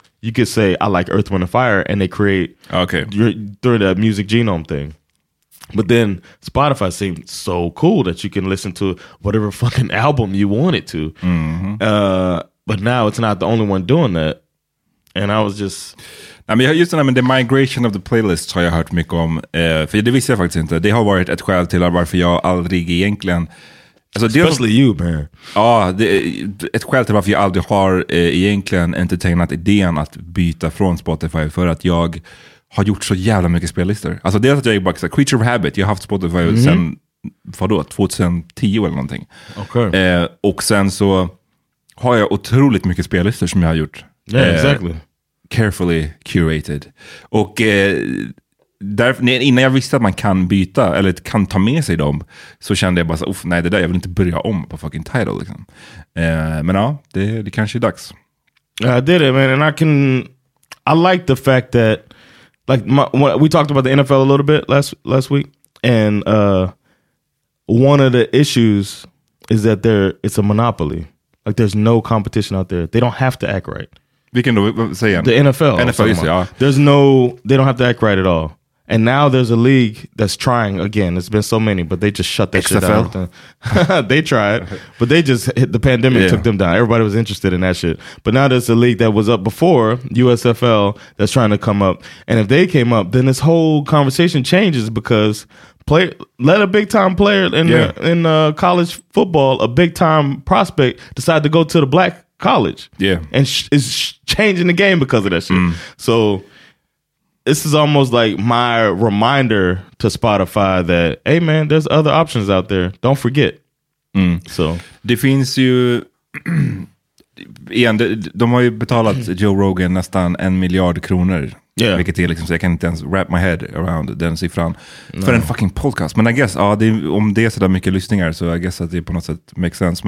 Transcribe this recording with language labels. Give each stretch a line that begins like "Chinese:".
English: You could say, I like Earth, Wind & Fire, and they create during the music genome thing. But then Spotify seemed so cool that you can listen to whatever fucking album you want it to. Mm-hmm. But now it's not the only one doing that. And I was just... The migration of the playlists
Swedish: har jag hört mycket om. För det visste jag faktiskt inte. Det har varit ett skäl till varför jag aldrig egentligen...
English: Alltså, especially som, you, man.
Swedish: Ja, det, ett skäl till varför jag aldrig har egentligen entertainat idén att byta från Spotify för att jag har gjort så jävla mycket spellistor. Alltså dels att jag är bara såhär,
English: Creature of Habit,
Swedish: jag har haft Spotify sen, vadå, 2010 eller någonting.
English: Okay.
Swedish: Och sen så har jag otroligt mycket spellistor som jag har gjort.
English: Ja, yeah, exactly. Carefully curated.
Swedish: Och där, innan jag visste att man kan byta eller kan ta med sig dem, så kände jag bara så, uff, nej, det där, jag vill inte börja om på fucking Tidal liksom. Men ja, det kanske är dags.
English: I did it, man, and I like the fact that, like, we talked about the NFL a little bit last week, and one of the issues is that it's a monopoly. Like, there's no competition out there. They don't have to act right. We can say the NFL. NFL, yeah. They don't have to act right at all. And now there's a league that's trying again. It's been so many, but they just shut that XFL shit down. They tried, but they just hit the pandemic, yeah, took them down. Everybody was interested in that shit. But now there's a league that was up before, USFL, that's trying to come up. And if they came up, then this whole conversation changes, because let a big-time player in college football, a big-time prospect, decide to go to the black college. Yeah. And it's changing the game because of that shit. Mm. So this is almost like my reminder to Spotify that, hey man, there's other options out there. Don't forget. Mm. So
Swedish: det finns ju, igen, de har ju betalat Joe Rogan nästan 1 miljard kronor.
English: Yeah.
Swedish: Vilket är liksom, så jag kan inte ens
English: wrap my head around
Swedish: den siffran. No. För en fucking podcast. Men I guess, ja, det, om det är sådär mycket lyssningar, så I guess att det på något sätt
English: makes sense.